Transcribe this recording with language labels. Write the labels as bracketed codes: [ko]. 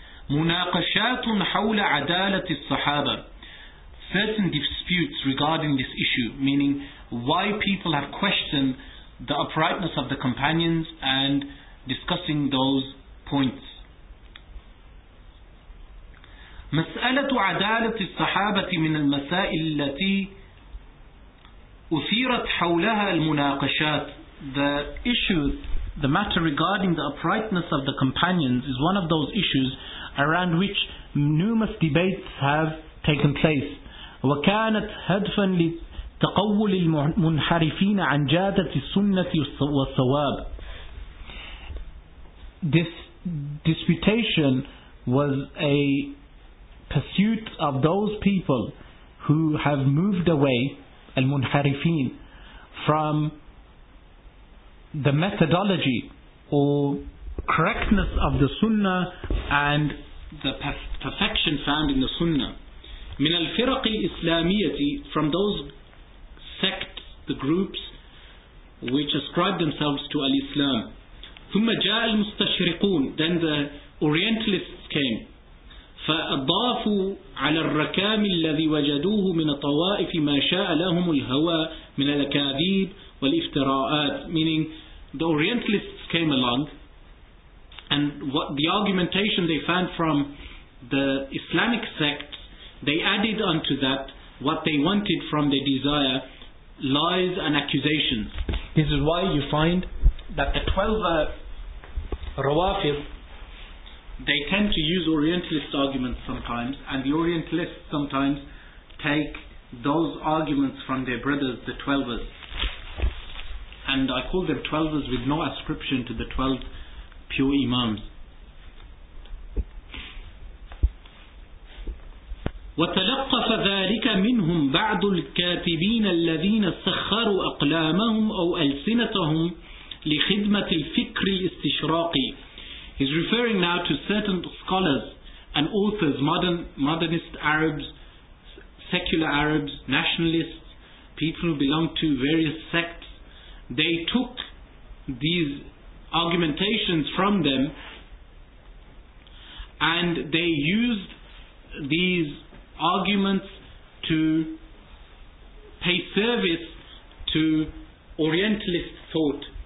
[ar] Munaqashatun hawla adalati as-sahaba, [en] certain disputes regarding this issue, meaning why people have questioned the uprightness of the companions and discussing those points. [ar] مسألة عدالة الصحابة من المسائل التي أثيرت حولها المناقشات. [en] The issue, the matter regarding the uprightness of the companions, is one of those issues around which numerous debates have taken place. [ar] وكانت هدفا لتقول المنحرفين عن جادة السنة والصواب. [en] This disputation was a pursuit of those people who have moved away, al-munharifin, from the methodology or correctness of the sunnah and the perfection found in the sunnah. [ar] من الفرق الإسلامية, [en] from those sects, the groups which ascribe themselves to al-Islam. [ar] ثم جاء المستشرقون, [en] then the Orientalists came. [ar] فأضافوا على الركام الذي وجدوه من الطوائف ما شاء لهم الهوى من الأكاذيب والافتراءات. [en] Meaning, the Orientalists came along, and what the argumentation they found from the Islamic sects, they added unto that what they wanted from their desire, lies and accusations. This is why you find that the 12 Rawafid, they tend to use Orientalist arguments sometimes, and the Orientalists sometimes take those arguments from their brothers, the Twelvers. and I call them 12ers with no ascription to the 12 pure imams. [ar] وتلقف ذلك منهم بعض الكاتبين الذين سخروا أقلامهم أو ألسنتهم لخدمة الفكر الاستشراقي. [en] He's referring now to certain scholars and authors, modernist Arabs, secular Arabs, nationalists, people who belong to various sects. They took these argumentations from them and they used these arguments to pay service to Orientalist thought.